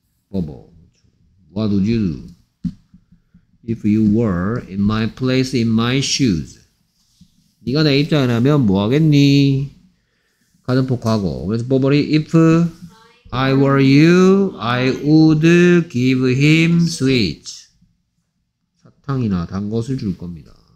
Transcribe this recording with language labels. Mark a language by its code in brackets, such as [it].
[en] What would you do if you were in my place in my shoes? [ko] 네가 내 입장이라면 뭐 하겠니? 가정폭하고. 그래서 버벌이 [en] if I were you, I would give him sweets. [ko] 탕이나 단 것을 줄 겁니다.